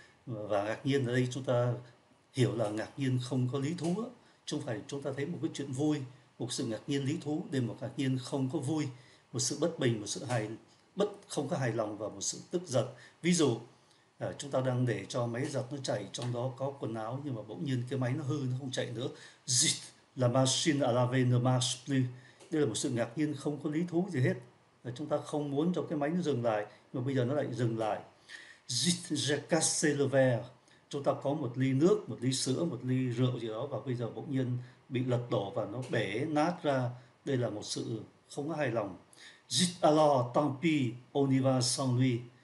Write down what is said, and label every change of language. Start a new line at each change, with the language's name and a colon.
Vietnamese: Và ngạc nhiên ở đây chúng ta hiểu là ngạc nhiên không có lý thú, chứ không phải chúng ta thấy một cái chuyện vui, một sự ngạc nhiên lý thú, đây một ngạc nhiên không có vui, một sự bất bình, một sự hài bất không có hài lòng và một sự tức giận. Ví dụ chúng ta đang để cho máy giặt nó chạy, trong đó có quần áo, nhưng mà bỗng nhiên cái máy nó hư, nó không chạy nữa.
French: Zit, la machine à laver ne marche plus.
Vietnamese: Đây là một sự ngạc nhiên không có lý thú gì hết. Chúng ta không muốn cho cái máy nó dừng lại, nhưng mà bây giờ nó lại dừng lại.
French: Zit, j'ai cassé le verre.
Vietnamese: Chúng ta có một ly nước, một ly sữa, một ly rượu gì đó, và bây giờ bỗng nhiên bị lật đổ và nó bể nát ra. Đây là một sự không có hài lòng.
French: Zit alors, tant pis, on y va sans lui.